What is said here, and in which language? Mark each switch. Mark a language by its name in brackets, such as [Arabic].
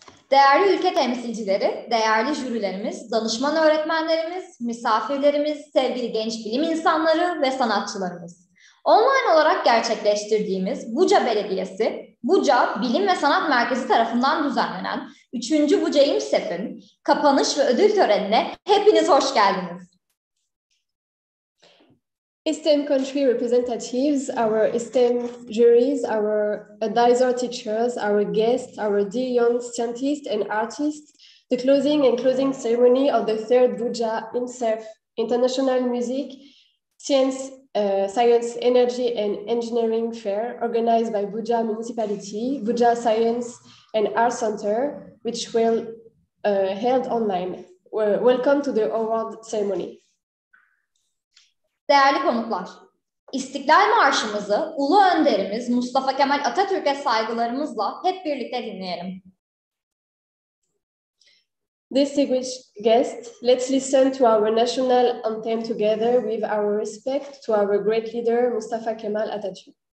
[Turkish] Değerli ülke temsilcileri, değerli jürilerimiz, danışman öğretmenlerimiz, misafirlerimiz, sevgili genç bilim insanları ve sanatçılarımız. Online olarak gerçekleştirdiğimiz Buca Belediyesi, Buca Bilim ve Sanat Merkezi tarafından düzenlenen 3. Buca İMSEP'in kapanış ve ödül törenine hepiniz hoş geldiniz. [English] Esteemed country representatives, our esteemed juries, our advisor teachers, our guests, our dear young scientists and artists, the closing and closing ceremony of the third Buca IMSEP International Music, Science, Energy and Engineering Fair organized by Buca Municipality, Buca Science and Art Center, which will held online. Welcome to the award ceremony. [Turkish] Değerli konuklar, İstiklal Marşımızı Ulu Önderimiz Mustafa Kemal Atatürk'e saygılarımızla hep birlikte dinleyelim. [English] Distinguished guests, let's listen to our national anthem together with our respect to our great leader Mustafa Kemal Atatürk.